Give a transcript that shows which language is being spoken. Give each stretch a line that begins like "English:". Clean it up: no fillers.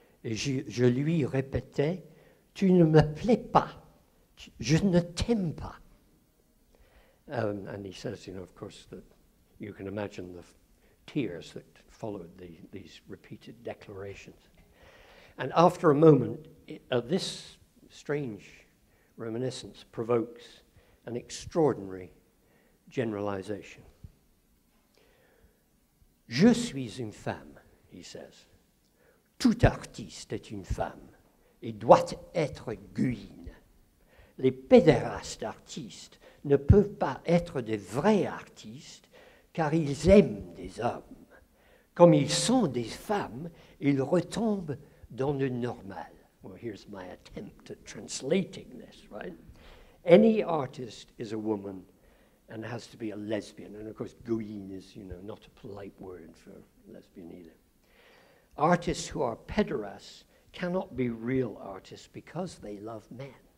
French: Et je lui répétais, tu ne me plais pas. Je ne t'aime pas.
English: And he says, you know, of course, that you can imagine the tears that followed these repeated declarations. And after a moment, this strange reminiscence provokes an extraordinary generalization.
French: Je suis une femme,
English: he says.
French: Tout artiste est une femme et doit être guine. Les pédérastes artistes ne peuvent pas être des vrais artistes car ils aiment des hommes. Comme ils sont des femmes, ils retombent dans le normal.
English: Well, here's my attempt at translating this, right? Any artist is a woman and has to be a lesbian. And of course, guine is, you know, not a polite word for lesbian either. Artists who are pederasts cannot be real artists because they love men.